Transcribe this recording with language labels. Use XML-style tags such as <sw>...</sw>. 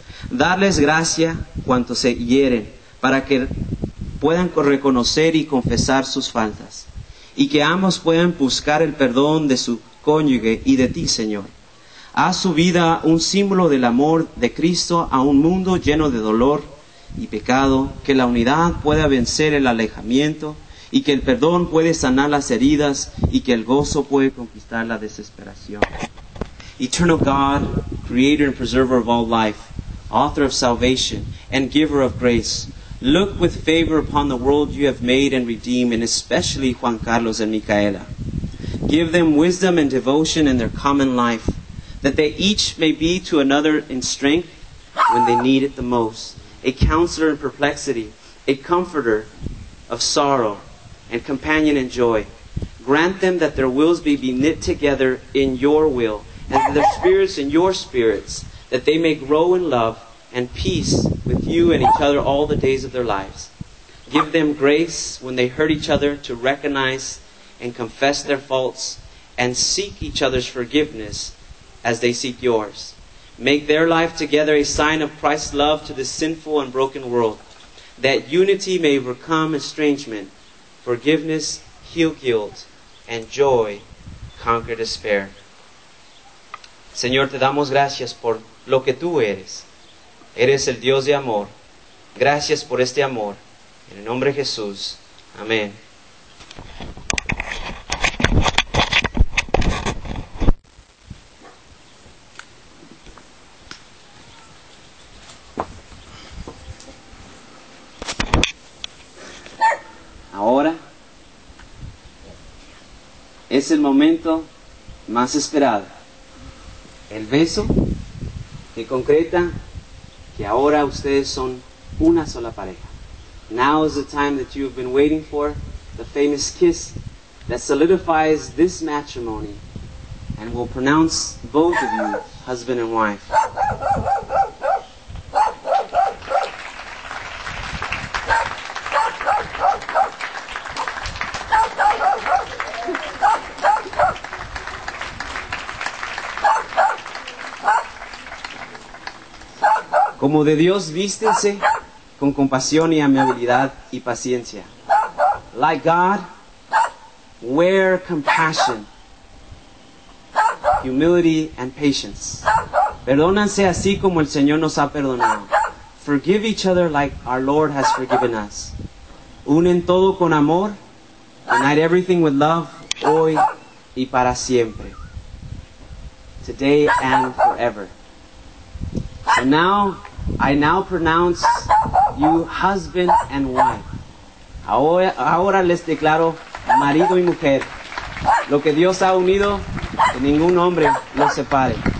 <es>Darles gracia cuando se hieren, para que puedan reconocer y confesar sus faltas, y que ambos puedan buscar el perdón de su cónyuge y de ti, Señor. Haz su vida un símbolo del amor de Cristo a un mundo lleno de dolor y pecado, que la unidad pueda vencer el alejamiento y que el perdón puede sanar las heridas y que el gozo puede conquistar la desesperación.</es> <en>Eternal God, creator and preserver of all life, author of salvation and giver of grace, look with favor upon the world you have made and redeemed, and especially Juan Carlos and Micaela. Give them wisdom and devotion in their common life, that they each may be to another in strength when they need it the most, a counselor in perplexity, a comforter of sorrow, and companion in joy. Grant them that their wills may be knit together in your will, and that their spirits in your spirits, that they may grow in love and peace with you and each other all the days of their lives. Give them grace when they hurt each other to recognize and confess their faults and seek each other's forgiveness as they seek yours. Make their life together a sign of Christ's love to this sinful and broken world, that unity may overcome estrangement, forgiveness heal guilt, and joy conquer despair.</en> <es>Señor, te damos gracias por lo que tú eres. Eres el Dios de amor. Gracias por este amor. En el nombre de Jesús. Amén. Ahora es el momento más esperado, el beso que concreta que ahora ustedes son una sola pareja.</es> <en>Now is the time that you've been waiting for, the famous kiss that solidifies this matrimony and will pronounce both of you husband and wife.</en> <es>Como de Dios, vístense con compasión y amabilidad y paciencia.</es> <en>Like God, wear compassion, humility and patience.</en> <es>Perdónanse así como el Señor nos ha perdonado.</es> <en>Forgive each other like our Lord has forgiven us.</en> <es>Unen todo con amor.</es> <en>Unite everything with love,</en> <es>hoy y para siempre.</es> <en>Today and forever. And now, I now pronounce you husband and wife.</en> <es>Ahora les declaro marido y mujer. Lo que Dios ha unido, que ningún hombre lo separe.</es>